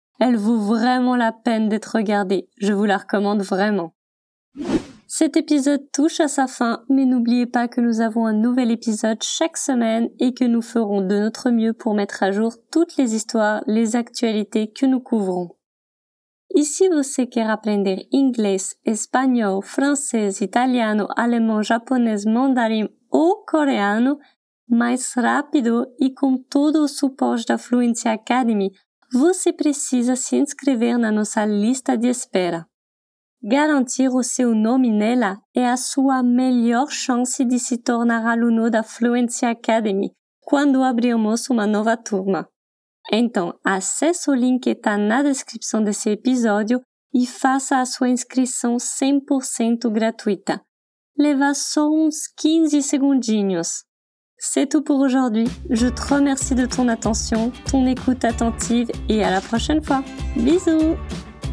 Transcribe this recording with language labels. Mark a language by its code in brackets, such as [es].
[fr] Elle vaut vraiment la peine d'être regardée. Je vous la recommande vraiment. Cet épisode touche à sa fin, mais n'oubliez pas que nous avons un nouvel épisode chaque semaine et que nous ferons de notre mieux pour mettre à jour toutes les histoires, les actualités que nous couvrons. [pt] Ici, você quer aprender inglês, espanhol, francês, italiano, alemão, japonês, mandarim ou coreano mais rápido e com todo o suporte da Fluency Academy, você precisa se inscrever na nossa lista de espera. Garantir o seu nome nela é a sua melhor chance de se tornar aluno da Fluency Academy quando abrirmos uma nova turma. Então, acesse o link que está na descrição desse episódio e faça a sua inscrição 100% gratuita. Leva só uns 15 segundinhos. [fr] C'est tout pour aujourd'hui. Je te remercie de ton attention, ton écoute attentive et à la prochaine fois. Bisous!